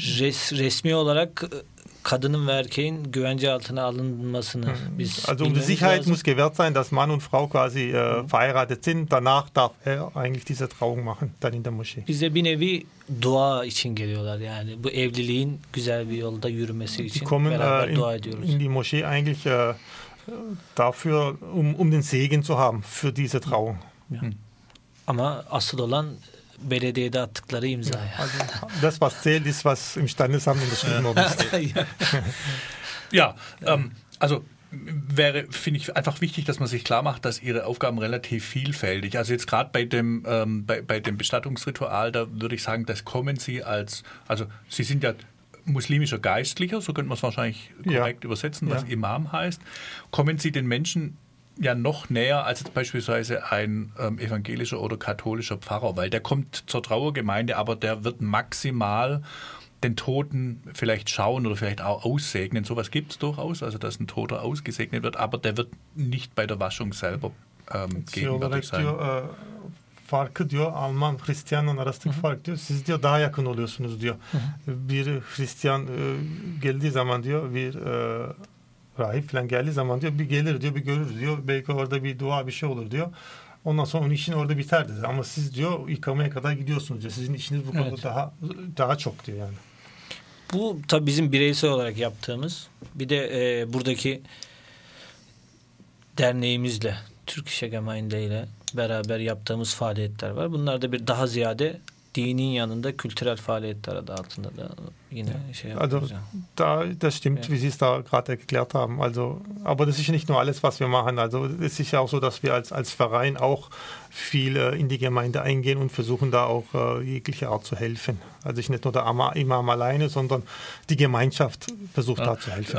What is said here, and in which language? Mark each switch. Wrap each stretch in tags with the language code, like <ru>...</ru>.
<tr>Resmi olarak kadının ve erkeğin güvence altına alınmasını biz...</tr> <de>Also um die Sicherheit</de> <tr>lazım.</tr> <de>Muss gewährt sein, dass Mann und Frau quasi verheiratet sind. Danach darf er eigentlich diese Trauung machen, dann in der Moschee.</de> <tr>Bize bir nevi dua için geliyorlar yani. Bu evliliğin güzel bir yolda yürümesi için</tr> <de>kommen,</de> <tr>beraber</tr> <de>in,</de> <tr>dua ediyoruz.</tr> <de>In die Moschee eigentlich dafür, um den Segen zu haben für diese Trauung. Ja.</de> <tr>Ama asıl olan belediyede attıkları imza.</tr> <de>Das was zählt ist, was im Standesamt unterschrieben worden ist. Ja, also wäre, finde ich, einfach wichtig, dass man sich klar macht, dass ihre Aufgaben relativ vielfältig. Also jetzt gerade bei dem Bestattungsritual, da würde ich sagen, das kommen Sie als, also Sie sind ja muslimischer Geistlicher, so könnte man es wahrscheinlich korrekt übersetzen, was Imam heißt. Kommen Sie den Menschen ja noch näher als jetzt beispielsweise ein evangelischer oder katholischer Pfarrer, weil der kommt zur Trauergemeinde, aber der wird maximal den Toten vielleicht schauen oder vielleicht auch aussegnen. Sowas gibt es durchaus, also dass ein Toter ausgesegnet wird, aber der wird nicht bei der Waschung selber gegenwärtig sein.</de> <tr>Farkı diyor Alman Hristiyanın arasındaki fark diyor. Siz diyor daha yakın oluyorsunuz diyor. Bir Hristiyan geldiği zaman diyor bir rahip falan geldiği zaman diyor bir gelir diyor bir görür diyor. Belki orada bir dua bir şey olur diyor. Ondan sonra onun işini orada biter dedi. Ama siz diyor yıkamaya kadar gidiyorsunuz diyor. Sizin işiniz bu konuda daha çok diyor yani. Bu tabii bizim bireysel olarak yaptığımız bir de buradaki derneğimizle, Türk İşe Gemeinde ile beraber yaptığımız faaliyetler var. Bunlar da bir daha ziyade dinin yanında kültürel faaliyetler adı altında da yine şey yapıyoruz.</tr> <de>Also, das stimmt, wie Sie es da gerade erklärt haben. Also, aber das ist nicht nur alles, was wir machen. Also, es ist ja auch so, dass wir als Verein auch viel in die Gemeinde eingehen und versuchen da auch jegliche Art zu helfen. Also nicht nur der Imam alleine, sondern die Gemeinschaft versucht da zu helfen.</de>